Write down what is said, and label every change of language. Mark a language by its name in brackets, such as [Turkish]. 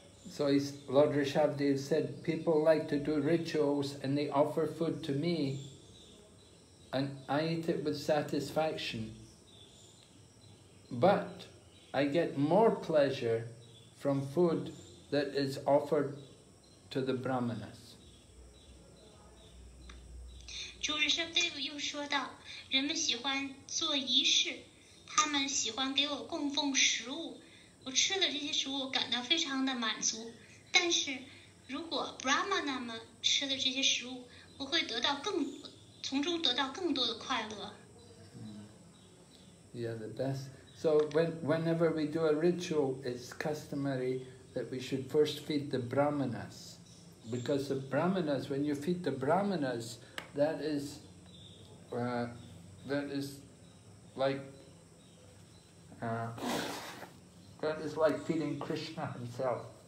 [English] So Lord Rishabhdev said, people like to do rituals and they offer food to me, and I eat it with satisfaction. But I get more pleasure from food that is offered to the Brahmanas. [Chinese] 主人生 Dave 又说道，人们喜欢做仪式，他们喜欢给我供奉食物，我吃了这些食物感到非常的满足，但是如果 Brahmana 们吃了这些食物，我会从中得到更多的快乐。 [English] Yeah, the best. So whenever we do a ritual, it's customary that we should first feed the Brahmanas. Because the Brahmanas, when you feed the Brahmanas,That is like feeding Krishna himself.